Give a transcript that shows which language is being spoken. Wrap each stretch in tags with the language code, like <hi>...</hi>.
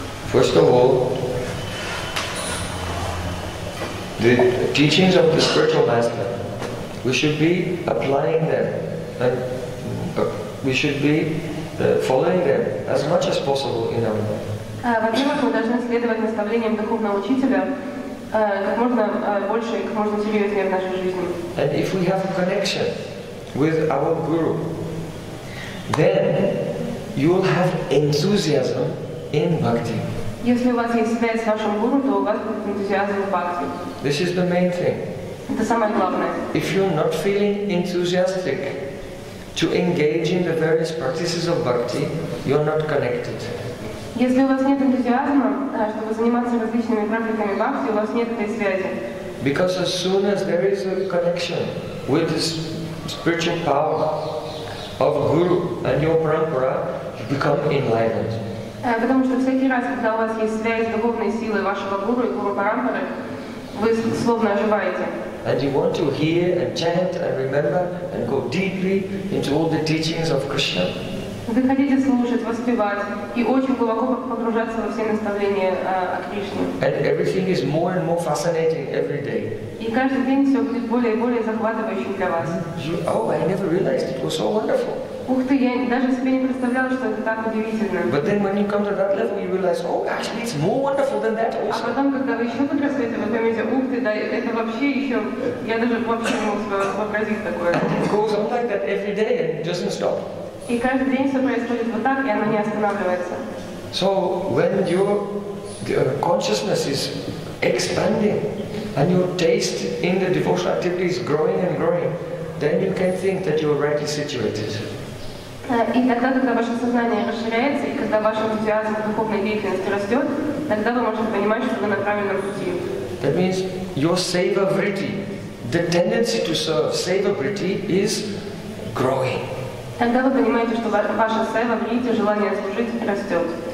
<en>First of all, the teachings of the spiritual master, we should be applying them, and we should be following them as much as possible in our life.</en> <ru>Во-первых, мы должны следовать наставлениям духовного учителя как можно больше и как можно серьезнее в нашей жизни.</ru> <en>And if we have a connection with our guru, then you will have enthusiasm in bhakti.</en> <ru>Если у вас есть связь с вашим гуру, то у вас будет энтузиазм в бхакти.</ru> <en>This is the main thing.</en> <ru>Это самое главное.</ru> <en>If you're not feeling enthusiastic to engage in the various practices of bhakti, you're not connected.</en> <ru>Если у вас нет энтузиазма, чтобы заниматься различными практиками бхакти, у вас нет этой связи.</ru> <en>Because as soon as there is a connection with this spiritual power of guru and your parampara, you become enlightened.</en> <ru>Потому что всякий раз, когда у вас есть связь с духовной силой вашего гуру и гуру парампары, вы словно оживаете.</ru> <en>And you want to hear and chant and remember and go deeply into all the teachings of Krishna.</en> <ru>Вы хотите слушать, воспевать и очень глубоко погружаться во все наставления о Кришне.</ru> <en>And everything is more and more fascinating every day.</en> <ru>И каждый день все будет более и более захватывающим для вас.</ru> <en>I never realized it was so wonderful.</en> <ru>Ух ты, я даже себе не представляла, что это так удивительно.</ru> <en>But then when you come to that level, you realize, actually it's more wonderful than that also.</en> <ru>А потом, когда вы еще подрастете, вы поймете, ух ты, да, это вообще еще, я даже вообще не мог вообразить такое.</ru> <en>And it goes on like that every day and doesn't stop.</en> <ru>И каждый день все происходит вот так, и оно не останавливается.</ru> <en>So when your consciousness is expanding and your taste in the devotional activity is growing and growing, then you can think that you are rightly situated.</en> <ru>И тогда, когда ваше сознание расширяется, и когда ваш энтузиазм в духовной деятельности растет, тогда вы можете понимать, что вы на правильном пути.</ru> <en>That means your seva vritti, the tendency to serve seva vritti is growing.</en> <ru>Тогда вы понимаете, что ваша seva vritti, желание служить, растет.</ru>